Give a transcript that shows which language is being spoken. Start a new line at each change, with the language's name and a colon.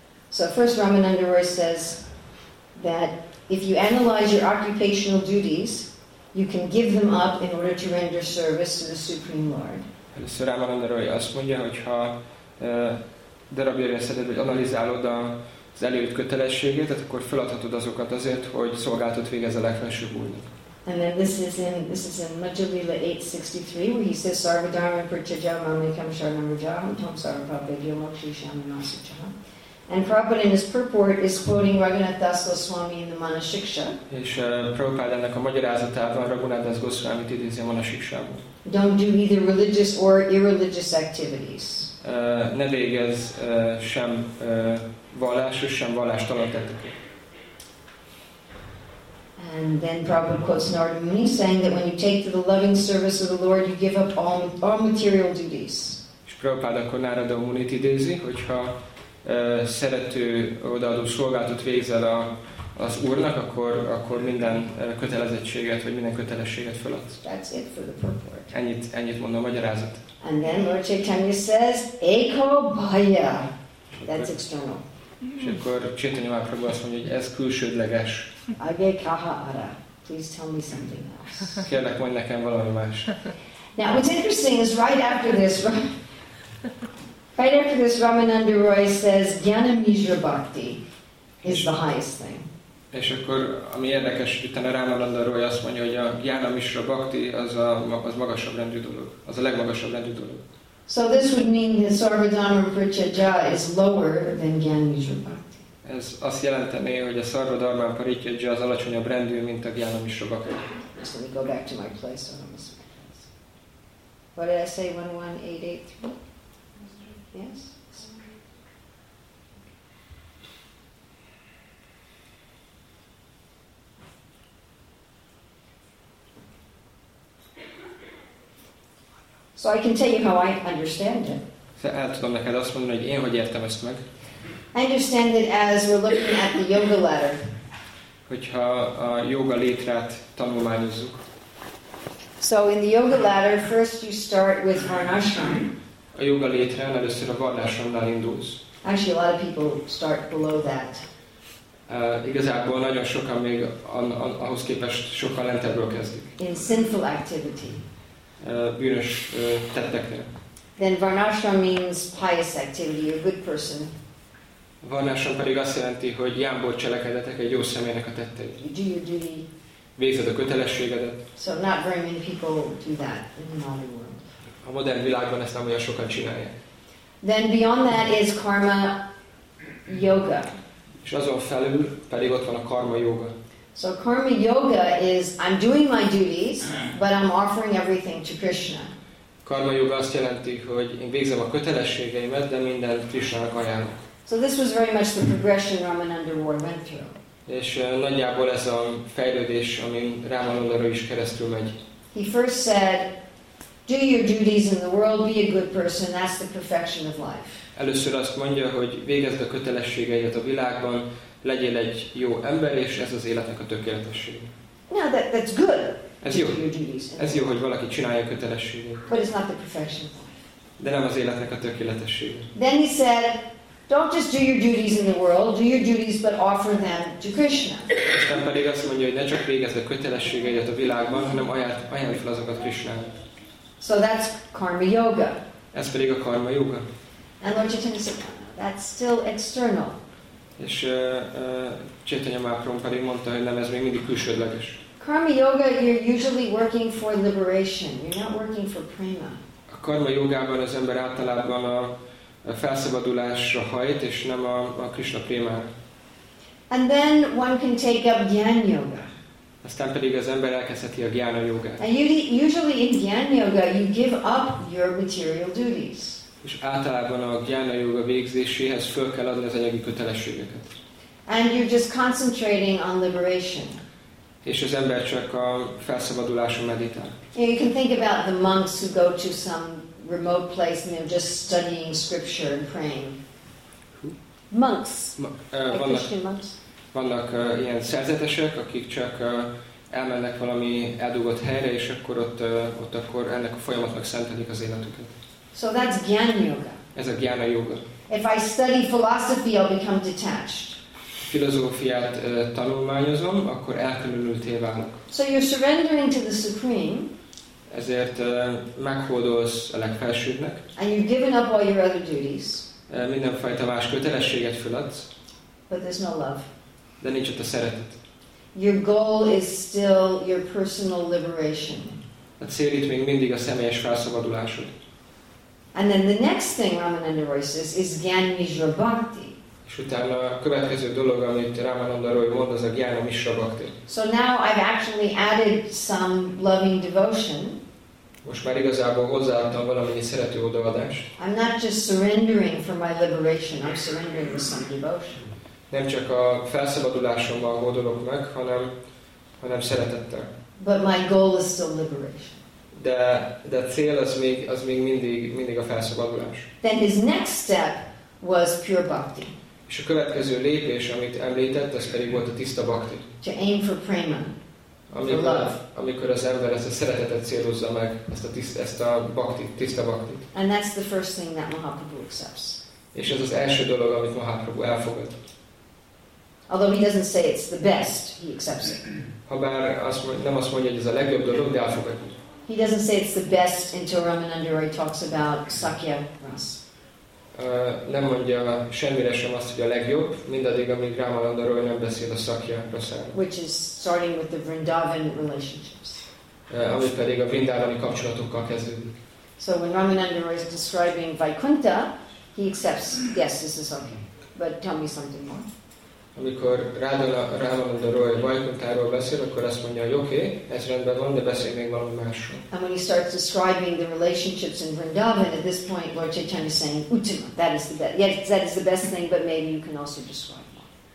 English: So first Ramananda Roy says that if you analyze your occupational duties, you can give them up in order to render service to the Supreme Lord.
Hungarian: Először Ramananda Roy azt mondja, hogyha darabjára szeded, vagy analizálod az előírt kötelességét, akkor feladhatod azokat azért, hogy szolgálatot végezz a legfelsőbb úrnak.
English: And then this is in Majjalila 8:63, where he says
Sanskrit: Sarvadharma Pratyaja Mamekam Sharanam Rajaham Tom Sarvabhavya Moksha Shyamanasacham.
English: And Prabhupada in his purport is quoting Raghunath Das Goswami in the Manashiksha.
Hungarian: És Prabhupada ennek a magyarázatában Raghunath Das Goswamit idézi a Manashikshában.
English: Don't do either religious or irreligious activities.
Hungarian: Ne végezz sem vallásos, sem vallástalan tetteket.
English: And then Prabhupada quotes Narada Muni saying that when you take to the loving service of the Lord, you give up all material duties.
Hungarian: És Prabhupada akkor Narada Munit idézi, hogyha szerető odaadó szolgálatot végzel az Úrnak, akkor minden kötelezettséget vagy minden kötelességet feladsz.
English: That's it for the purport.
Hungarian: Ennyit mondom a magyarázat.
English: And then Lord Chaitanya says,
Bangla: Eko Bhaya.
English: That's external.
Hungarian: És akkor Chaitanya Mahaprabhu azt mondja, hogy ez külsődleges.
Bangla: Age kaha ara.
English: Please tell me something else.
Hungarian: Kérlek, mondj nekem valami más.
English: Now what's interesting is right after this, Ramananda Roy says, Jnana Mishra Bhakti is the highest thing.
Hungarian: És akkor, ami érdekes, utána Ramananda Roy azt mondja, hogy a Jnana Mishra Bhakti az magasabb rendű dolog. Az a legmagasabb rendű dolog.
English: So this would mean that Sarvadharma Parichaya is lower than Jnana Mishra Bhakti.
Hungarian: Ez azt jelenteni, hogy a Sarvadharma Parichaya az alacsonyabb rendű, mint a Jnana Mishra Bhakti.
English: So we go back to my place on this. What did I say, 11883? Yes. So I can tell you how I understand it.
Hungarian: El tudom neked azt mondani, hogy én hogy értem ezt meg.
English: I understand it as we're looking at the yoga letter.
Hungarian: Hogyha a yoga létrát tanulmányozzuk.
English: So in the yoga letter, first you start with varnashram.
Hungarian: A yoga létrán először a varnásramnál indulsz.
English: Actually, a lot of people start below that.
Hungarian: Igazából nagyon sokan még ahhoz képest sokkal lentebbről kezdik.
English: In sinful activity.
Hungarian: Bűnös tetteknél.
English: Then varnashram means pious activity, a good person.
Hungarian: Varnashram pedig azt jelenti, hogy jámbor cselekedetek, egy jó személynek a tettei.
English: You do your duty.
Hungarian: Végzed a kötelességedet.
English: So not very many people do that in the modern world.
Hungarian: A modern világban ezt nem olyan sokan csinálják.
English: Then beyond that is karma yoga.
Hungarian: És azon felül pedig ott van a karma yoga.
English: So karma yoga is I'm doing my duties, but I'm offering everything to Krishna.
Hungarian: Karma yoga azt jelenti, hogy én végzem a kötelességeimet, de minden Krishnának ajánlok.
English: So this was very much the progression Ramananda Roy went through.
Hungarian: És nagyjából ez a fejlődés, amin Ramananda Roy is keresztül megy.
English: He first said, do your duties in the world, be a good person, that's the perfection of life.
Hungarian: Először azt mondja, hogy végezd a kötelességeidet a világban, legyél egy jó ember, és ez az életnek a tökéletessége.
English: Now that's good.
Hungarian: Ez jó. Ez jó, hogy valaki csinálja a kötelességét.
English: But it's not the perfection of life.
Hungarian: De nem az életnek a tökéletessége.
English: Then he said, don't just do your duties in the world, do your duties, but offer them to Krishna.
Hungarian: Aztán pedig azt mondja, hogy ne csak végezd a kötelességeidet a világban, hanem ajánlj fel azokat Krishnának.
English: So that's karma yoga.
Hungarian: Ez pedig a karma yoga.
English: And Lord Chaitanya said, that's still external.
Hungarian: És Chaitanya Mahaprabhu pedig mondta, hogy nem, ez még mindig külsődleges.
English: Karma yoga, you're usually working for liberation. You're not working for prema.
Hungarian: A karma yogában az ember általában a felszabadulásra hajt, és nem a Krishna prémára.
English: And then one can take up jnana yoga.
Hungarian: Aztán pedig az ember elkezdheti a gyána jogát.
English: And usually in gyána yoga you give up your material duties.
Hungarian: És általában a gyána joga végzéséhez föl kell adni az anyagi kötelességeket.
English: And you're just concentrating on liberation.
Hungarian: És az ember csak a felszabaduláson meditál.
English: You can think about the monks who go to some remote place and they're just studying scripture and praying. Who? Monks. Christian monks.
Hungarian: Vannak ilyen szerzetesek, akik csak elmennek valami eldugott helyre, és akkor ott akkor ennek a folyamatnak szentelik az életüket.
English: So that's jnana yoga.
Hungarian: Ez a jnana yoga.
English: If I study philosophy, I'll become detached.
Hungarian: Filozófiát tanulmányozom, akkor elkülönülté válok.
English: So you're surrendering to the supreme.
Hungarian: Ezért meghódolsz a legfelsőbbnek.
English: And you've given up all your other duties.
Hungarian: Mindenfajta más kötelességet feladsz.
English: But there's no love.
Hungarian: De nincs ott a szeretet.
English: Your goal is still your personal liberation.
Hungarian: A cél itt még mindig a személyes felszabadulásod.
English: And then the next thing Ramananda Roy says is Jnana Mishra Bhakti.
Hungarian: És utána a következő dolog, amit Ramananda Roy mond, az a Jnana Mishra Bhakti.
English: So now I've actually added some loving devotion.
Hungarian: Most már igazából hozzáadtam valamennyi szerető odaadást.
English: I'm not just surrendering for my liberation, I'm surrendering for some devotion.
Hungarian: Nem csak a felszabadulásommal gondolok meg, hanem szeretettel.
English: But my goal is still liberation.
Hungarian: De a cél az még mindig a felszabadulás.
English: Then his next step was pure bhakti.
Hungarian: És a következő lépés, amit említett, ez pedig volt a tiszta bhakti.
English: To aim for prema.
Hungarian: Amikor, az ember ezt a szeretetet célozza meg, ezt a bhakti, tiszta bhakti.
English: And that's the first thing that Mahaprabhu accepts.
Hungarian: És ez az első dolog, amit Mahaprabhu elfogad.
English: Although he doesn't say it's the best, he accepts it.
Hungarian: Habár azt mondja, nem azt mondja, hogy ez a legjobb dolog, de elfogadja.
English: He doesn't say it's the best until Ramananda Roy talks about Sakya Ras.
Hungarian: Nem mondja semmire sem azt, hogy a legjobb, mindaddig, amíg Ramananda Roy nem beszél a Sakya Rasáról.
English: Which is starting with the Vrindavan relationships.
Hungarian: Ami pedig a Vrindavani kapcsolatokkal kezdődik.
English: So when Ramananda Roy is describing Vaikuntha, he accepts, yes, this is okay, but tell me something more.
Hungarian: Amikor Ramananda Roy Vaikunthról beszél, akkor azt mondja, hogy oké, ez rendben van, de beszél még valami másról.
English: And when he starts describing the relationships in Vrindavan, at this point, Lord Chaitanya is saying, Uttama, that is the best. Yes, that is the best thing, but maybe you can also describe more.